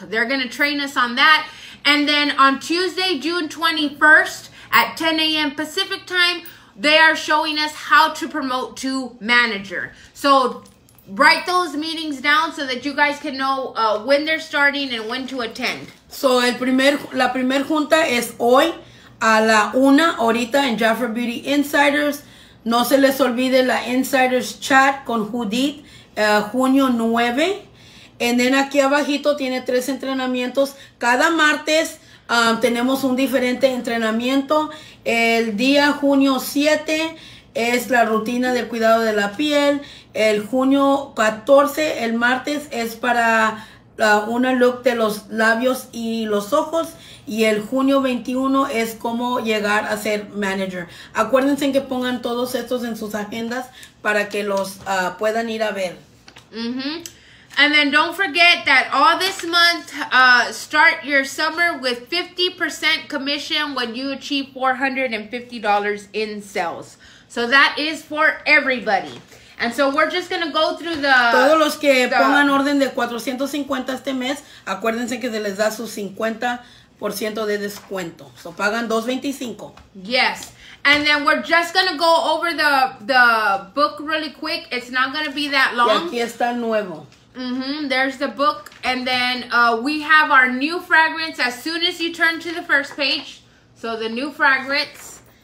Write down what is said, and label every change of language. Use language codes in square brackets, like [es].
[en] They're going to train us on that. And then on Tuesday, June 21st, at 10 a.m. Pacific time, they are showing us how to promote to manager. So write those meetings down so that you guys can know when they're starting and when to attend. [es] So la primer junta es hoy a la una, ahorita en Jafra Beauty Insiders. No se les olvide la Insiders Chat con Judith, junio 9. [en] And then [es] aquí abajito tiene tres entrenamientos cada martes. Tenemos un diferente entrenamiento. El día junio 7 es la rutina del cuidado de la piel. El junio 14, el martes, es para una look de los labios y los ojos. Y el junio 21 es cómo llegar a ser manager. Acuérdense que pongan todos estos en sus agendas para que los puedan ir a ver. [en] And then don't forget that all this month, start your summer with 50% commission when you achieve $450 in sales. So that is for everybody. And so we're just going to go through the... [es] Todos los que pongan orden de 450 este mes, acuérdense que se les da su 50% de descuento. So pagan $225. [en] Yes. And then we're just going to go over the book really quick. It's not going to be that long. [es] Y aquí está el nuevo. [en] Mm-hmm. There's the book. And then we have our new fragrance as soon as you turn to the first page. So the new fragrance.